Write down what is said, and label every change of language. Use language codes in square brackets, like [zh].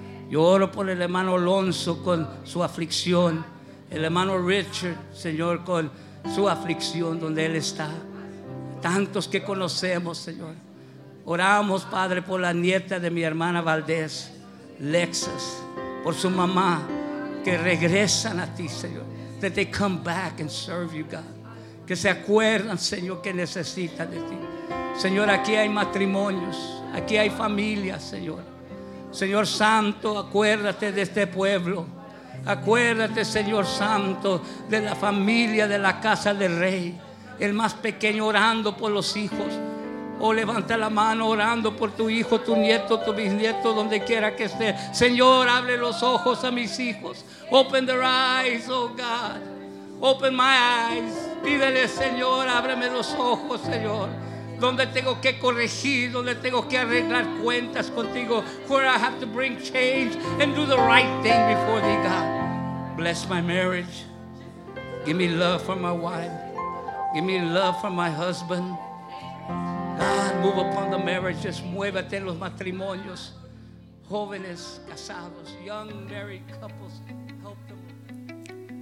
[es] Yo oro por el hermano Alonso con su aflicción, el hermano Richard, Señor, con su aflicción donde él está. Tantos que conocemos, Señor. Oramos, Padre, por la nieta de mi hermana Valdés, Lexus, por su mamá, que regresan a ti, Señor. [en] That they come back and serve you, God. [es] Que se acuerdan, Señor, que necesitan de ti. Señor, aquí hay matrimonios, aquí hay familias, Señor. Señor Santo, acuérdate de este pueblo. Acuérdate, Señor Santo, de la familia de la casa del Rey. El más pequeño orando por los hijos. Oh, levanta la mano orando por tu hijo, tu nieto, tu bisnieto, donde quiera que esté. Señor, abre los ojos a mis hijos. [en] Open their eyes, oh God. Open my eyes. [es] Pídele, Señor, ábreme los ojos, Señor. Donde tengo que corregir, donde tengo que arreglar cuentas contigo. [en] Where I have to bring change and do the right thing before thee, God. Bless my marriage. Give me love for my wife. Give me love for my husband. God, move upon the marriages. [es] Muévete en los matrimonios. Jóvenes casados, [en] young married couples, help them.